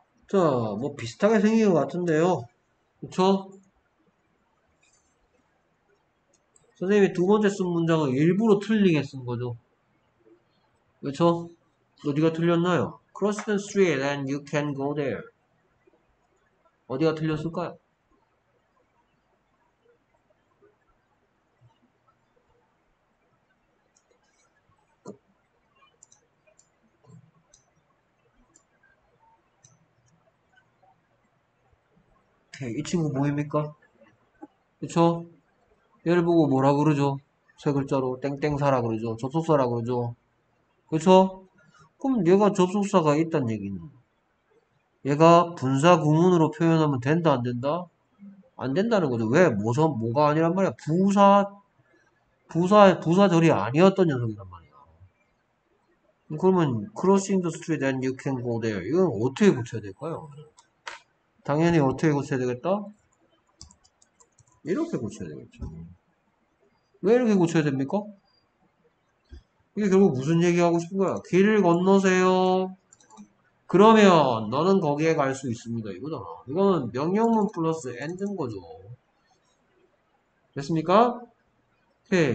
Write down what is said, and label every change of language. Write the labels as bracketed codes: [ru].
[ko] 자, 뭐 비슷하게 생긴 것 같은데요. 그쵸? 선생님이 두 번째 쓴 문장을 일부러 틀리게 쓴 거죠. 그쵸? 어디가 틀렸나요? [en] Cross the street and you can go there. [ko] 어디가 틀렸을까요? 이 친구 뭐입니까? 그쵸? 얘를 보고 뭐라 그러죠? 세 글자로 땡땡사라 그러죠? 접속사라 그러죠? 그쵸? 그럼 얘가 접속사가 있단 얘기는? 얘가 분사 구문으로 표현하면 된다 안 된다? 안 된다는 거죠. 왜? 뭐가 아니란 말이야? 부사절이 아니었던 녀석이란 말이야. 그러면 [en] crossing the street and you can go there. [ko] 이건 어떻게 붙여야 될까요? 당연히 어떻게 고쳐야 되겠다? 이렇게 고쳐야 되겠죠. 왜 이렇게 고쳐야 됩니까? 이게 결국 무슨 얘기하고 싶은 거야? 길을 건너세요. 그러면 너는 거기에 갈수 있습니다. 이거잖아. 이거는 명령문 플러스 엔드인 거죠. 됐습니까? 오케이.